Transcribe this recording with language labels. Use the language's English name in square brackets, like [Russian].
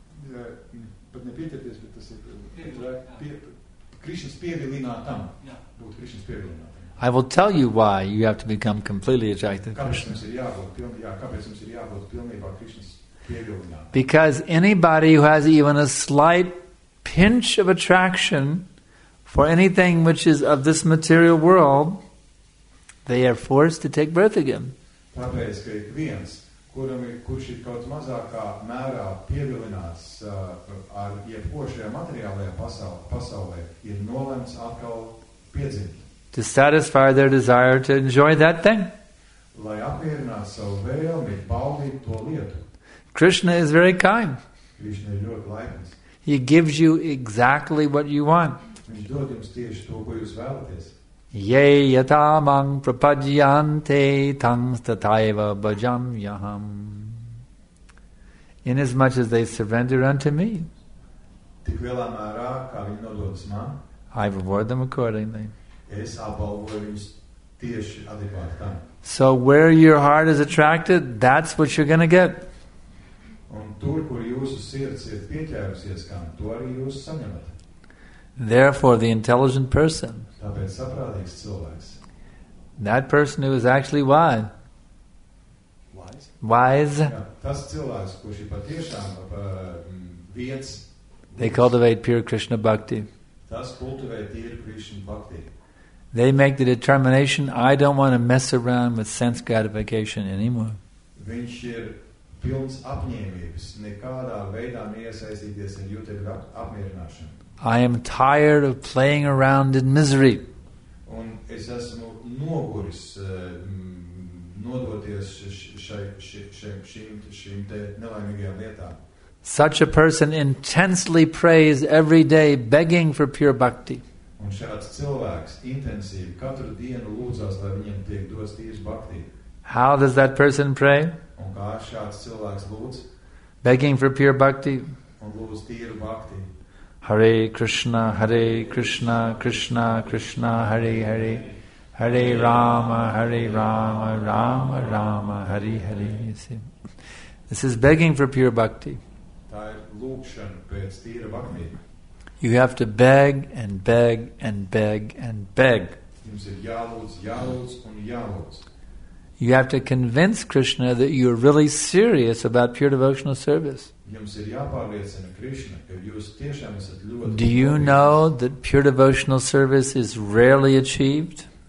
[Latvian] Bet nepieķerties, bet tas ir Krishna's pievilinātam. Būt Krishna's pievilinātam. [English] I will tell you why you have to become completely attracted to Krishna. [Latvian] Kāpēc jums ir jābūt pilnībā Krishna's? [English] Because anybody who has even a slight pinch of attraction for anything which is of this material world, they are forced to take birth again. [Latvian] Tāpēc, ka ik viens, kurš ir kaut mazākā mērā pievilināts ar iepošajā materiālajā pasaulē, ir nolemts atkal piedzimt. [English] To satisfy their desire to enjoy that thing. [Latvian] Lai apmierinās savu vēlmi baudīt to lietu. [English] Krishna is very kind. [Latvian] Krishna ir ļoti laipns. [English] He gives you exactly what you want. [Latvian] Viņš dod jums tieši to, ko jūs vēlaties. [Sanskrit] Yei yatāmaṁ prapajyante taṁstatāiva bhajam yaham. [English] Inasmuch as they surrender unto me, [Latvian] tik vēlā mērā, kā viņi nododas man, [English] I reward them accordingly. [Latvian] Es apbalvoju viņus tieši adekvāti tam. [English] So where your heart is attracted, that's what you're going to get. [Latvian] Un tur, kur jūsu sirds ir pieķērusies kam, to arī jūs saņemat. [English] Therefore, the intelligent person, [Latvian] tāpēc saprātīgs cilvēks, [English] that person who is actually wise, wise. [Latvian] Jā, tas cilvēks, kurš ir patiešām viens, [English] they cultivate pure Krishna bhakti, [Latvian] tas kultivē tīru Krishna bhakti. [English] They make the determination, I don't want to mess around with sense gratification anymore. [Latvian] Viņš ir pilns apņēmības, nekādā veidā neiesaistīties ar jūtekļu apmierināšanu. [English] I am tired of playing around in misery. [Latvian] Un es esmu noguris nodoties šim te nelaimīgajām lietām. [English] Such a person intensely prays every day begging for pure bhakti. [Latvian] Un šāds cilvēks intensīvi katru dienu lūdzās, lai viņam tiek dots tīrs bhakti. [English] How does that person pray? [Latvian] Un kā šāds cilvēks lūdz? [English] Begging for pure bhakti. [Latvian] Un lūdz tīru bhakti. [Sanskrit] Hare Krishna, Krishna, Krishna, Hare Hare. Hare Rama, Rama, Rama, Hare Hare. [English] You see? This is begging for pure bhakti. [Latvian] Tā ir lūkšana pēc tīra bhakti. [English] You have to beg and beg and beg and beg. [Latvian] Jums ir jālūdz, jālūdz un jālūdz. [English] You have to convince Krishna that you are really serious about pure devotional service. [Latvian] Jums ir jāpārliecina Krishna, ka jūs tiešām esat ļoti. [English] Do you know that pure devotional service is rarely achieved?